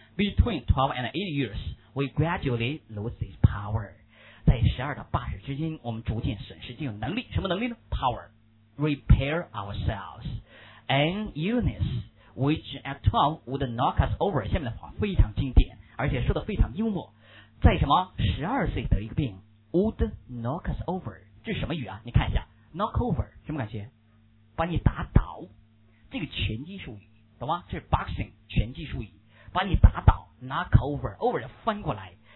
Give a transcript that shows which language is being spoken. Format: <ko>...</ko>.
<en>Between 12 and 8 years, we gradually lose this power.</en> <zh>在12到80之间，我们逐渐损失这种能力。什么能力呢 ？</zh> <en>Power, repair ourselves. An illness which at 12 would knock us over.</en> <zh>下面的话非常经典，而且说的非常幽默。在什么12岁得一个病 ，</zh> <en>would knock us over.</en> <zh>这是什么语啊？你看一下 ，knock over 什么感觉？把你打倒，这个拳击术语，懂吗？这是 boxing 拳击术语，把你打倒 ，knock over， over 就翻过来。</zh>